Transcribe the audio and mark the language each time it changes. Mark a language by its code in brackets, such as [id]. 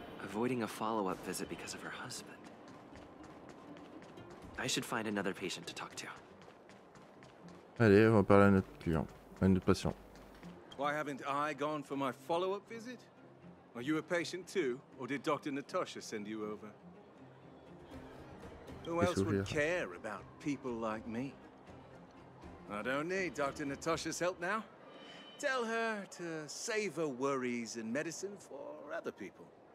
[en] Avoiding a follow-up visit because of her husband. I should find another patient to talk to. [fr] Allez, on va parler à notre client, à notre patient. [en] Why haven't I gone for my follow-up visit? Are you a patient too, or did Dr. Natasha send you over? Who else would care about people like me? I don't need Dr. Natasha's help now. Tell her to save her worries and medicine for other people.